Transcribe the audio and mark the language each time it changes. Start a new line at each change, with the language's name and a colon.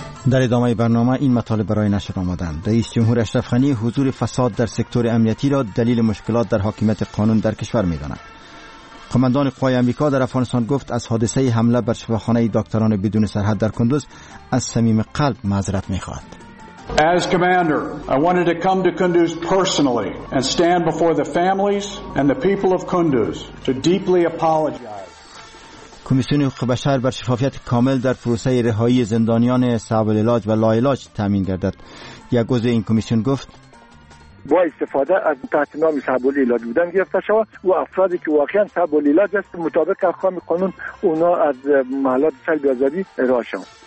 Persian: در ادامه برنامه این مطالب برای نشر آمدند. رئیس جمهور اشرف غنی حضور فساد در سکتور امنیتی را دلیل مشکلات در حاکمیت قانون در کشور می داند. کماندان قوای امریکا در افغانستان گفت از حادثه حمله بر شفاخانه دکتران بدون سرحد در کندوز از صمیم قلب معذرت می‌خواهد.
English: As commander, I wanted to come to Kunduz personally and stand before the families and the people of Kunduz to deeply apologize.
Persian: کمیسیون حقوق بشر بر شفافیت کامل در پروسه رهایی زندانیان صعب العلاج و لاعلاج تضمین گردد. یک عضو این کمیسیون گفت با استفاده از تحت نام صعب العلاج بودن گرفته شود و افرادی که واقعا صعب العلاج است مطابق احکام قانون اونا از محلات سلب آزادی رها شوند.